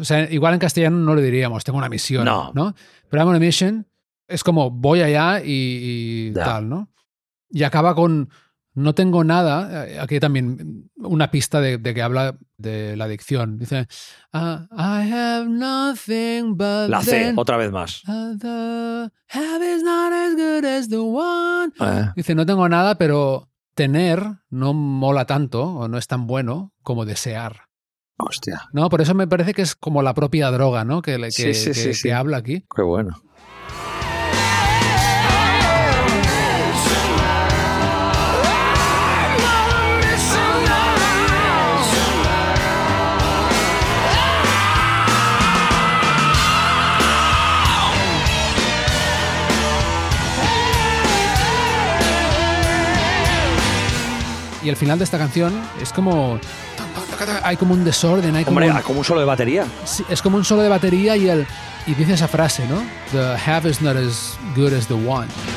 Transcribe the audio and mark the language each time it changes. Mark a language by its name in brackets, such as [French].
[Spanish] O sea, igual en castellano no le diríamos, tengo una misión. No. ¿No? Pero [English] I'm on a mission... [Spanish] Es como voy allá y tal, ¿no? Y acaba con No tengo nada. Aquí también una pista de que habla de la adicción. [English] Dice, I have nothing but [Spanish] la C, [English] then, [Spanish] otra vez más. [English] The have is not as good as the one. [Spanish] Dice, no tengo nada, pero tener no mola tanto o no es tan bueno como desear. Hostia. No, por eso me parece que es como la propia droga, ¿no? Que habla aquí. Qué bueno. Y el final de esta canción es como... Hay como un desorden. Hay como un solo de batería. Sí, es como un solo de batería y dice esa frase, ¿no? [English] The have is not as good as the want.